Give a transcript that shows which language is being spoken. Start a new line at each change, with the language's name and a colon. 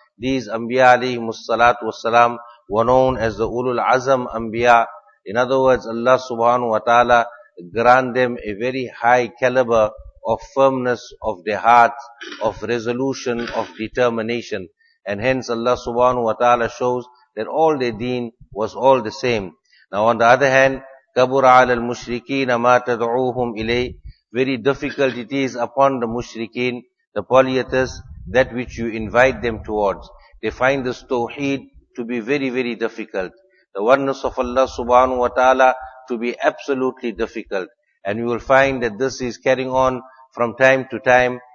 English: These Anbiya alayhi salatu wassalam were known as the Ulul Azam Anbiya. In other words, Allah subhanahu wa ta'ala grant them a very high caliber of firmness of their hearts, of resolution, of determination. And hence Allah subhanahu wa ta'ala shows that all their deen was all the same. Now on the other hand,
Arabic: كَبُرَ عَلَى الْمُشْرِكِينَ مَا تَدْعُوهُمْ إِلَيْهِ.
English: Very difficult it is upon the mushrikeen, the polytheists, that which you invite them towards. They find this tawheed to be very, very difficult. The oneness of Allah subhanahu wa ta'ala to be absolutely difficult. And you will find that this is carrying on from time to time.